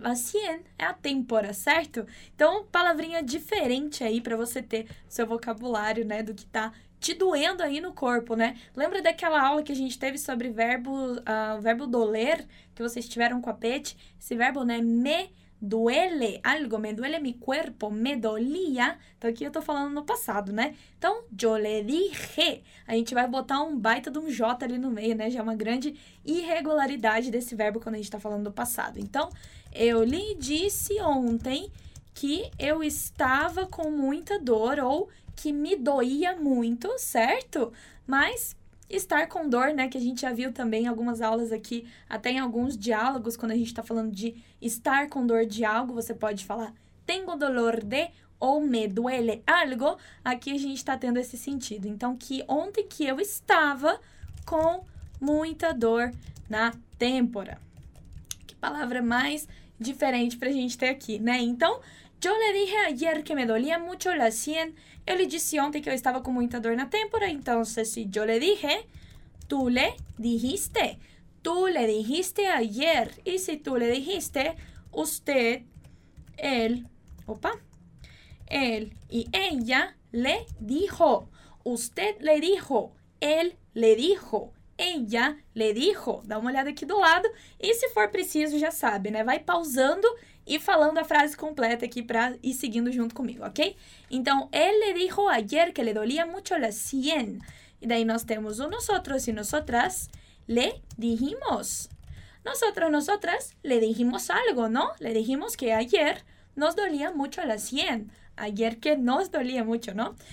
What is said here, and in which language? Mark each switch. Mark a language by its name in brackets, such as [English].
[Spanish] La sien [Portuguese] é a têmpora, certo? Então, palavrinha diferente aí para você ter seu vocabulário, né, do que tá te doendo aí no corpo, né? Lembra daquela aula que a gente teve sobre verbo doler, que vocês tiveram com a Pet? Esse verbo, né, [Spanish] me duele algo, me duele mi cuerpo, me dolía. [Portuguese] Então, aqui eu tô falando no passado, né? Então, [Spanish] yo le dije. [Portuguese] A gente vai botar um baita de um J ali no meio, né? Já é uma grande irregularidade desse verbo quando a gente tá falando do passado. Então, eu lhe disse ontem que eu estava com muita dor ou que me doía muito, certo? Mas estar com dor, né, que a gente já viu também em algumas aulas aqui, até em alguns diálogos, quando a gente tá falando de estar com dor de algo, você pode falar [Spanish] tengo dolor de [Portuguese] ou [Spanish] me duele algo. [Portuguese] Aqui a gente tá tendo esse sentido. Então, que ontem que eu estava com muita dor na têmpora. Que palavra mais diferente pra gente ter aqui, né? [Spanish] Então, yo le dije ayer que me dolía mucho la sien. [Portuguese] Eu lhe disse ontem que eu estava com muita dor na têmpora. [Spanish] Então, si yo le dije, tú le dijiste. Tú le dijiste ayer. E se tú le dijiste, usted, él, opa, él y ella le dijo. Usted le dijo, él le dijo. Ella le dijo. [Portuguese] Dá uma olhada aqui do lado. E se for preciso, já sabe, né? Vai pausando e falando a frase completa aqui pra ir seguindo junto comigo, ok? [Spanish] Então, él le dijo ayer que le dolía mucho la sien. [Portuguese] E daí nós temos o nosotros e [Spanish] nosotras le dijimos. Nosotros, nosotras, le dijimos algo, ¿no? Le dijimos que ayer nos dolía mucho la sien. Ayer que nos dolía mucho, ¿no?